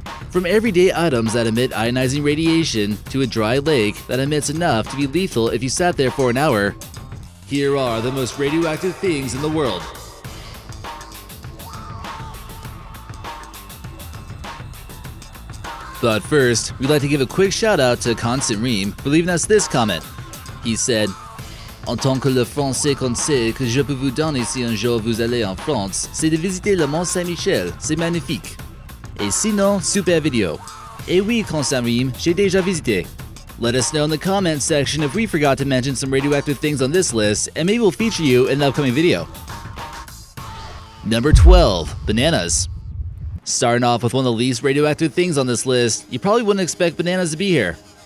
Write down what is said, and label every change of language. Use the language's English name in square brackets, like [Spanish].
[English] From everyday items that emit ionizing radiation to a dry lake that emits enough to be lethal if you sat there for an hour, here are the most radioactive things in the world. But first, we'd like to give a quick shout out to Constant Ream for leaving us this comment. He said, [French] En tant que le français qu'on sait que je peux vous donner si un jour vous allez en France, c'est de visiter le Mont Saint-Michel, c'est magnifique. Et sinon, super vidéo. Et oui, Constant Ream, j'ai déjà visité. [English] Let us know in the comments section if we forgot to mention some radioactive things on this list, and maybe we'll feature you in an upcoming video. Number 12, bananas. Starting off with one of the least radioactive things on this list, you probably wouldn't expect bananas to be here.